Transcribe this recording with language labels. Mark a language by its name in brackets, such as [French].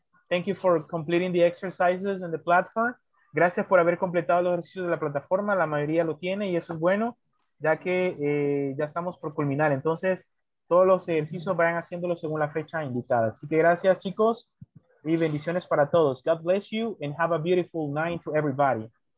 [English] Thank you for completing the exercises and the platform. [Spanish] Gracias por haber completado los ejercicios de la plataforma. La mayoría lo tiene y eso es bueno, ya que ya estamos por culminar. Entonces, todos los ejercicios vayan haciéndolos según la fecha indicada. Así que gracias, chicos, y bendiciones para todos. [English] God bless you and have a beautiful night to everybody.